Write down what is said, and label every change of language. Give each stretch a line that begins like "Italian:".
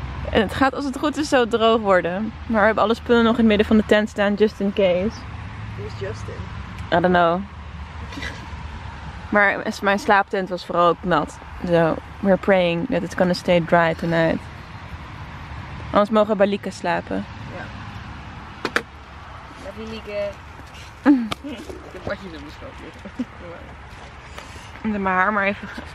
Dutch: En het gaat als het goed is zo droog worden. Maar we hebben alle spullen nog in het midden van de tent staan,
English: just in case. Who's Justin? I don't know.
Dutch: Maar mijn slaaptent was vooral ook nat.
English: So, we're praying that it's gonna stay dry tonight.
Dutch: Anders mogen we bij Lieke slapen. Ja. Bij Lieke. Ik heb watjes in mijn schoot. Doe mijn haar maar even.